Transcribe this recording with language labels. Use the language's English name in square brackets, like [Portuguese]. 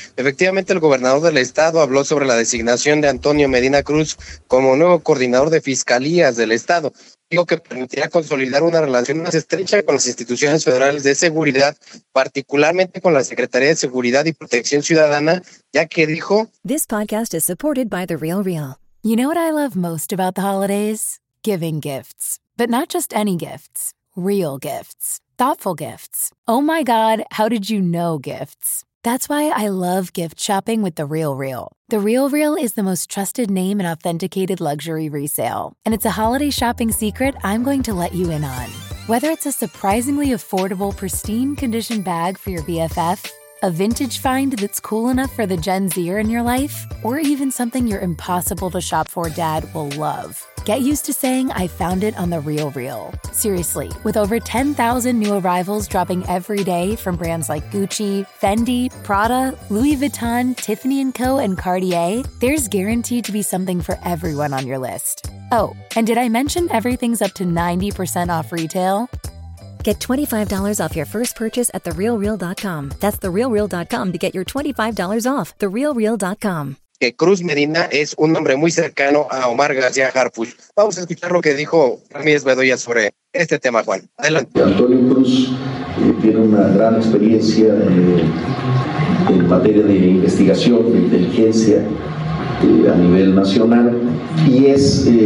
[Spanish] Efectivamente, el gobernador del estado habló sobre la designación de Antonio Medina Cruz como nuevo coordinador de fiscalías del estado. Dijo que permitirá consolidar una relación más estrecha con las instituciones federales de seguridad, particularmente con la Secretaría de Seguridad y Protección Ciudadana, ya que dijo: [English] This podcast is supported by The Real Real. You know what I love most about the holidays? Giving gifts. But not just any gifts. Real gifts. Thoughtful gifts. Oh my God, how did you know gifts? That's why I love gift shopping with The Real Real. The Real Real is the most trusted name in authenticated luxury resale. And it's a holiday shopping secret I'm going to let you in on. Whether it's a surprisingly affordable, pristine condition bag for your BFF, a vintage find that's cool enough for the Gen Zer in your life, or even something your impossible to shop for dad will love. Get used to saying, I found it on The Real Real. Seriously, with over 10,000 new arrivals dropping every day from brands like Gucci, Fendi, Prada, Louis Vuitton, Tiffany & Co., and Cartier, there's guaranteed to be something for everyone on your list. Oh, and did I mention everything's up to 90% off retail? Get $25 off your first purchase at TheRealReal.com. That's TheRealReal.com to get your $25 off. TheRealReal.com. [Spanish] Que Cruz Medina es un nombre muy cercano a Omar García Harfuch. Vamos a escuchar lo que dijo Ramírez Bedoya sobre este tema, Juan. Adelante. Antonio Cruz tiene una gran experiencia en materia de investigación, de inteligencia a nivel nacional y es